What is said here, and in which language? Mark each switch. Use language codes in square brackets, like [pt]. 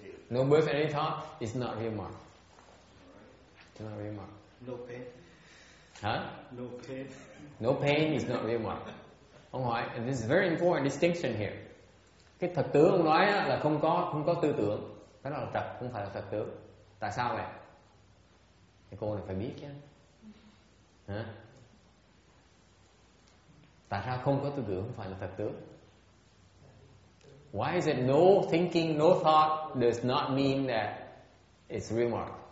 [en] No birth and any thought is not real mark. It's not real mark. No pain. Huh? No pain. No pain is not real mark. [vi] Ông hỏi, [en] and this is very important distinction here. [vi] Cái thật tướng ông nói là không có tư tưởng, đó là thật, không phải là thật tướng. Tại sao vậy? Thì cô này phải biết chứ. Hả? Tại sao không có tư tưởng không phải là thật tướng? [en] Why is it no thinking, no thought does not mean that it's real mark?